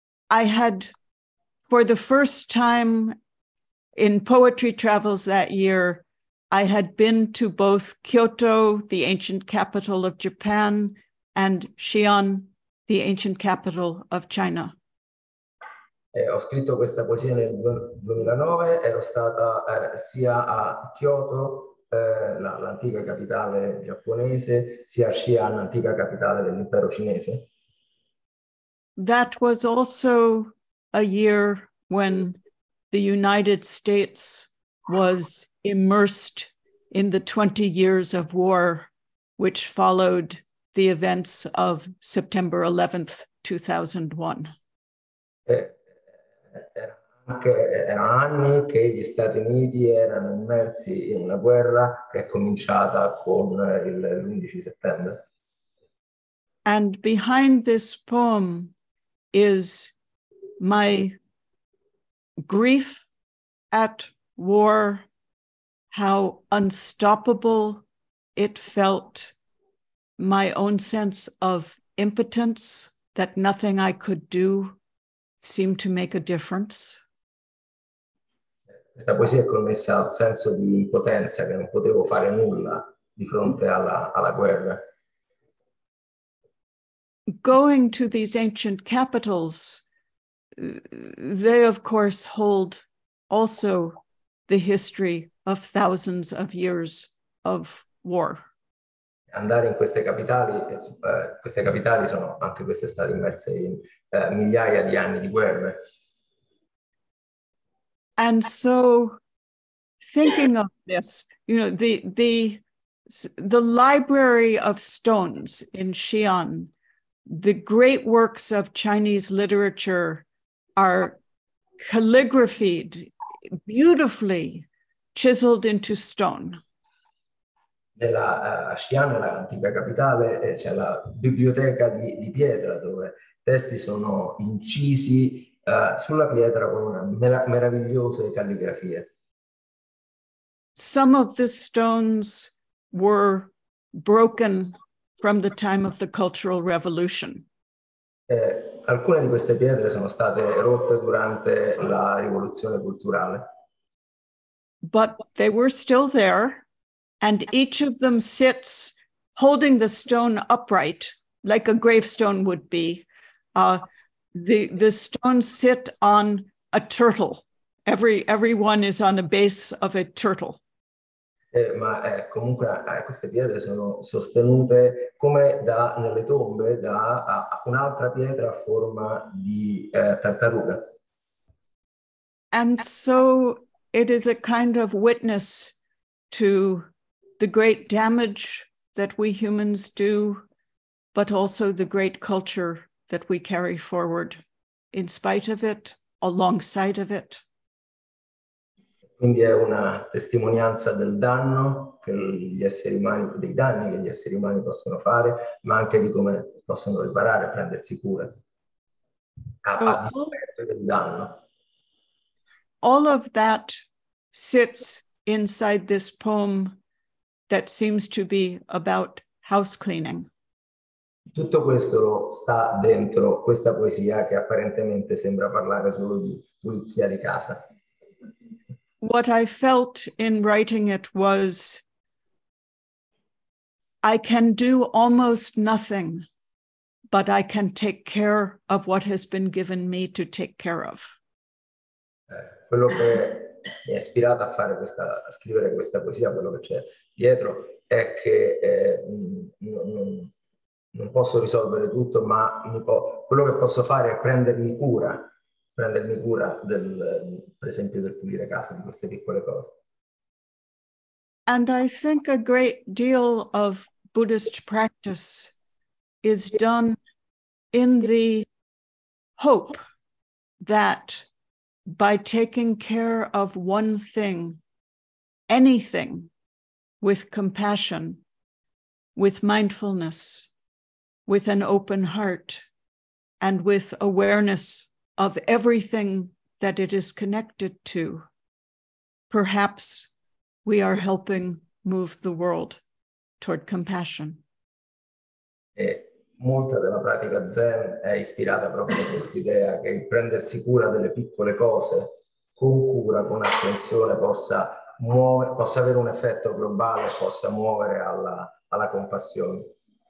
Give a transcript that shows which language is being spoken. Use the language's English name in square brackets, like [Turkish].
[English] I had for the first time in poetry travels that year, I had been to both Kyoto, the ancient capital of Japan, and Xi'an, the ancient capital of China. [Italian] Ho scritto questa poesia nel 2009, ero stata sia a Kyoto, l'antica capitale giapponese, sia a Xi'an, l'antica capitale dell'impero cinese. [English] That was also a year when the United States was immersed in the 20 years of war, which followed the events of September 11th, 2001. [Italian] Erano anni che gli Stati Uniti erano immersi in una guerra che è cominciata con l'11 settembre. [English] And behind this poem is my grief at war, how unstoppable it felt, my own sense of impotence, that nothing I could do seemed to make a difference. [Italian] Questa poesia è connessa al senso di impotenza, che non potevo fare nulla di fronte alla guerra. [English] Going to these ancient capitals, they of course hold also the history of thousands of years of war. [Italian] Andare in queste capitali sono anche queste state immerse in migliaia di anni di guerre. [English] And so, thinking of this, you know, the Library of Stones in Xi'an, the great works of Chinese literature are calligraphied beautifully, chiseled into stone. [Italian] Nella Xi'an, l'antica capitale, c'è la biblioteca di pietra dove testi sono incisi sulla pietra con una meravigliosa calligrafia. [English] Some of the stones were broken from the time of the Cultural Revolution. [Italian] Alcune di queste pietre sono state rotte durante la rivoluzione culturale. [English] But they were still there, and each of them sits holding the stone upright, like a gravestone would be. The stones sit on a turtle. Everyone is on the base of a turtle. [Italian] Queste pietre sono sostenute come da nelle tombe da un'altra pietra a forma di tartaruga. [English] And so it is a kind of witness to the great damage that we humans do, but also the great culture that we carry forward in spite of it, alongside of it. [Italian] Quindi è una testimonianza del danno che gli esseri umani, dei danni che gli esseri umani possono fare, ma anche di come possono riparare, prendersi cura. A dispetto del danno. [English] All of that sits inside this poem that seems to be about house cleaning. [Italian] Tutto questo sta dentro questa poesia che apparentemente sembra parlare solo di pulizia di casa. [English] What I felt in writing it was, I can do almost nothing, but I can take care of what has been given me to take care of. [Italian] Quello che mi ha ispirato a scrivere questa poesia, quello che c'è dietro, è che non posso risolvere tutto, ma quello che posso fare è prendermi cura del, per esempio, del pulire casa, di queste piccole cose. [English] And I think a great deal of Buddhist practice is done in the hope that by taking care of one thing, anything, with compassion, with mindfulness, with an open heart, and with awareness of everything that it is connected to, perhaps we are helping move the world toward compassion. [Italian] E molta della pratica Zen è ispirata proprio a quest'idea che il prendersi cura delle piccole cose con cura, con attenzione, possa avere un effetto globale, possa muovere alla compassione.